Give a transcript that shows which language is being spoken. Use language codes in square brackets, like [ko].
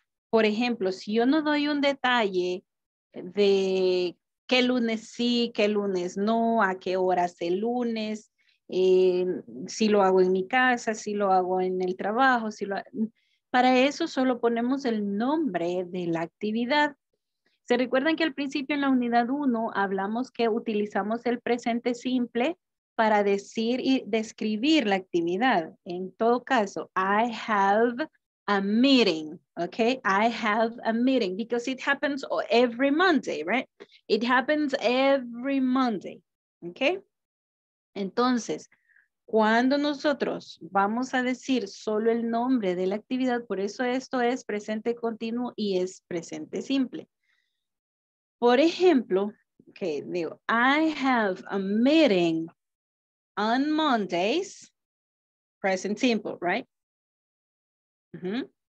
[es] Por ejemplo, si yo no doy un detalle de qué lunes sí, qué lunes no, a qué horas el lunes, si lo hago en mi casa, si lo hago en el trabajo, para eso solo ponemos el nombre de la actividad. ¿Se recuerdan que al principio en la unidad 1 hablamos que utilizamos el presente simple para decir y describir la actividad? En todo caso, [en] I have a meeting, okay? I have a meeting because it happens every Monday, right? It happens every Monday, okay? [es] Entonces, cuando nosotros vamos a decir solo el nombre de la actividad, por eso esto es presente continuo y es presente simple. Por ejemplo, [en] okay, [es] digo, [en] I have a meeting on Mondays, present simple, right? Mm-hmm.